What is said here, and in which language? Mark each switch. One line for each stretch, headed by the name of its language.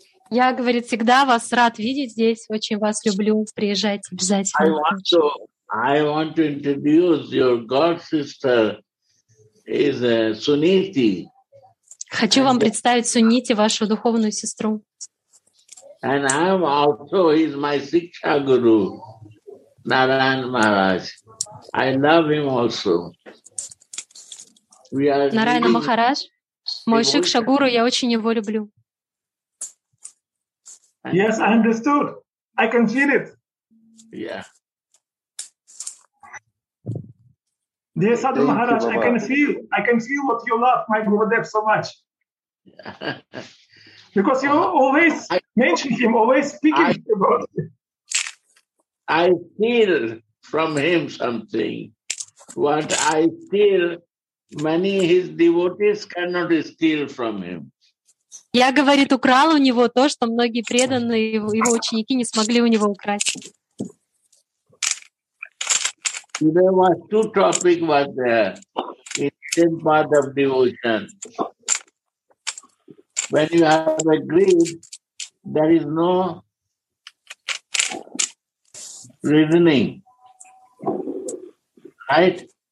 Russian: Я, говорит, всегда вас рад видеть здесь, очень вас люблю, приезжайте обязательно.
English: I want to introduce your god sister is Suniti.
Russian: Хочу вам представить Сунити, вашу духовную сестру.
English: And I'm also is my Siksha Guru, Narayan Maharaj. I love him also.
Russian: Нарайана Махарадж, мой Шикша Гуру, я очень его люблю.
English: Yes, I understood. I can feel it. Yeah. Dear Sadhu Maharaj, I can feel. I can feel what you love, my Gurudev, so much. Because you always mention him, always speaking about him. I feel from him something. What I feel, many his devotees cannot steal from him.
Russian: Я, говорит, украл у него то, что многие преданные его ученики не смогли у него украсть.
English: There was two topic was there in the part of devotion. When you have agreed, there is no reasoning, right?